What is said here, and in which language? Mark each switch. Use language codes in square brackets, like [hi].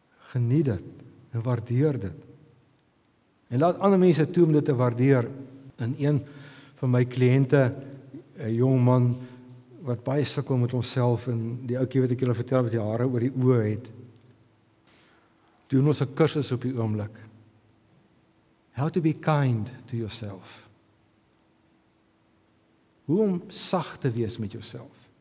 [af] Geniet dit en waardeer dit. En laat ander mense toe om dit te waardeer. En een van my kliënte, 'n jong man wat baie sukkel met homself en die oukie wat ek julle vertel wat die hare oor die oë het, doen ons 'n kursus op die oomblik. [en] How to be kind to yourself. [af] Hoe om sag te wees met jouself.